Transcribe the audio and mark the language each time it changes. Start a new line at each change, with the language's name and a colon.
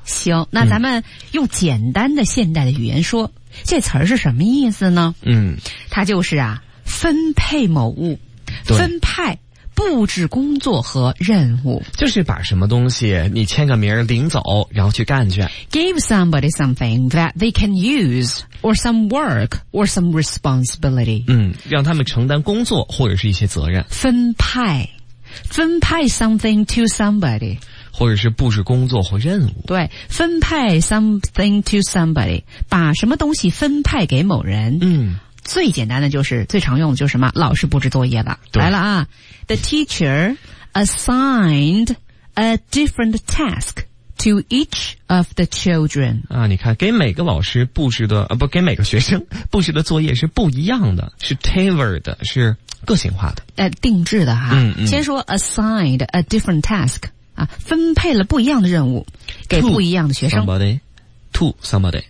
Chinese: 行，那咱们用简单的现代的语言说。这词儿是什么意思呢？嗯，它就是啊，分配某物，分派、布置工作和任务，就是把什么东西你签个名领走，然后去干去。
English: Give somebody something that they can use, or some work, or some responsibility。
Chinese: 嗯，让他们承担工作或者是一些责任。分派
English: something to somebody。
Chinese: 或者是布置工作或任务。对，分派
English: something to somebody,
Chinese: 把什么东西分派给某人。嗯，最简单的就是最常用的就是什么，老师布置作业了。对，来了啊。
English: The teacher assigned a different task to each of the children.
Chinese: 啊，你看给每个老师布置的给每个学生布置的作业是不一样的，是 tailored, 是个性化的。定制的哈。嗯。先说
English: assigned a different task。
Chinese: 啊，分配了不一样的任务给不一样的学生。
English: To somebody.